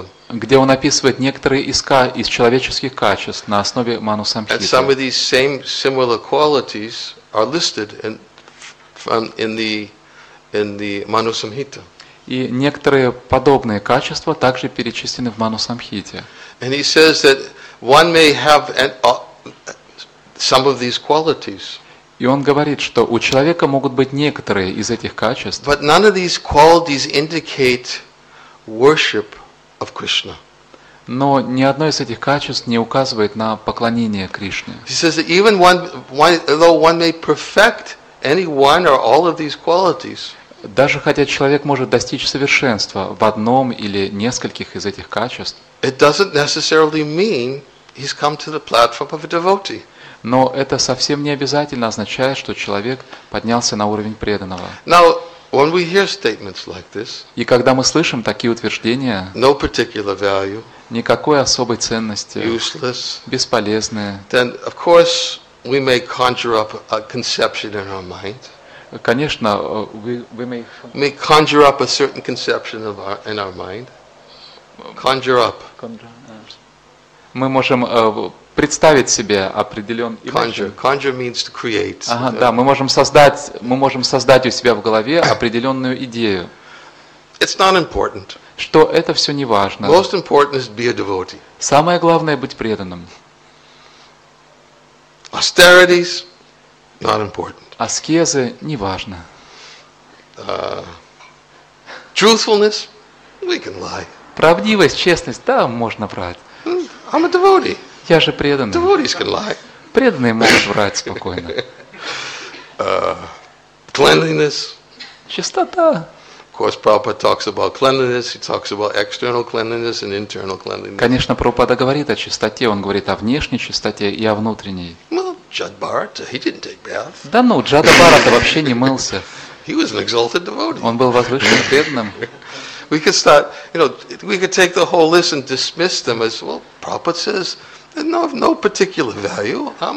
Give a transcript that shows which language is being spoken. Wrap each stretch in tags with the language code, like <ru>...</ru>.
<ru>Где он описывает некоторые из человеческих качеств на основе Ману Самхиты.</ru> <en>Some of these same similar qualities are listed in the Manu Samhita.</en> <ru>И некоторые подобные качества также перечислены в Ману Самхите.</ru> <en>And he says that one may have some of these qualities.</en> <ru>И он говорит, что у человека могут быть некоторые из этих качеств.</ru> <en>But none of these qualities indicate worship of Krishna.</en> <ru>Но ни одно из этих качеств не указывает на поклонение Кришне.</ru> <en>He says that even one may perfect any one or all of these qualities.</en> <ru>Даже хотя человек может достичь совершенства в одном или нескольких из этих качеств,</ru> <en>it doesn't necessarily mean he's come to the platform of a devotee.</en> <ru>Но это совсем не обязательно означает, что человек поднялся на уровень преданного.</ru> <en>Now, when we hear statements like this,</en> <ru>и когда мы слышим такие утверждения,</ru> <en>no particular value,</en> <ru>никакой особой ценности,</ru> <en>useless,</en> <ru>бесполезные,</ru> <en>then of course we may conjure up a conception in our mind.</en> <ru>Конечно,</ru> <en>we may conjure up a certain conception of in our mind. Conjure up.</en> <ru>Мы можем представить себе определенный.</ru> <en>Conjure means to create.</en> <ru>Ага, да, мы можем создать у себя в голове определенную идею.</ru> <en>It's not important.</en> <ru>Что это все не важно.</ru> <en>Most important is be a devotee.</en> <ru>Самое главное быть преданным.</ru> <en>Austerities not important.</en> <ru>Аскезы не важно.</ru> <en>Truthfulness we can lie.</en> <ru>Правдивость, честность, да, можно врать.</ru> <en>I'm a devotee.</en> <ru>Я же преданный.</ru> <en>Devotees can lie.</en> <ru>Преданные могут врать спокойно.</ru> <en>Cleanliness.</en> <ru>Чистота.</ru> <en>Of course, Prabhupada talks about cleanliness. He talks about external cleanliness and internal cleanliness.</en> <ru>Конечно, Прабхупада говорит о чистоте. Он говорит о внешней чистоте и о внутренней.</ru> <en>Well, Джада Бхарата, he didn't take bath.</en> <ru>Да ну, Джада Бхарата вообще не мылся.</ru> <en>He was an exalted devotee.</en> <ru>Он был возвышенным преданным.</ru> <en>We could start, you know, we could take the whole list and dismiss them as, well, Prabhupada says, no particular value.</en>